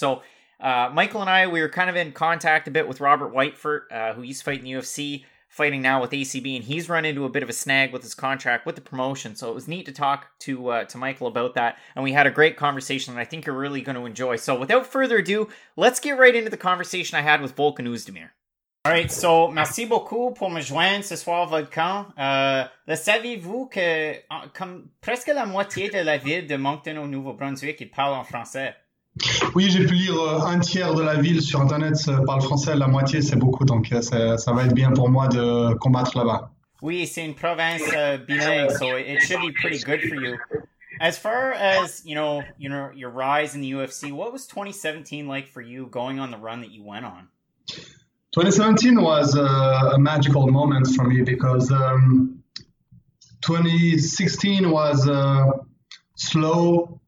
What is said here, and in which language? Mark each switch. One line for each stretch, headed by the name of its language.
English: So Michael and I, we were kind of in contact a bit with Robert Whitefort, who used to fight in the UFC, fighting now with ACB, and he's run into a bit of a snag with his contract with the promotion, so it was neat to talk to Michael about that, and we had a great conversation that I think you're really going to enjoy. So without further ado, let's get right into the conversation I had with Volkan Oezdemir. All right, so
French: merci beaucoup pour me joindre ce soir, Volkan. Le savez-vous que comme presque la moitié de la ville de Moncton au Nouveau-Brunswick, il parle en français? Oui, j'ai pu lire un tiers de la ville sur Internet parle français, la moitié c'est beaucoup, donc ça va être bien pour moi de combattre là-bas. Oui, c'est une province bilingue,
English: so it should be pretty good for you. As far as, you know, your rise in the UFC, what was 2017 like for you going on the run that you went on? 2017 was a magical moment for me because 2016 was slow.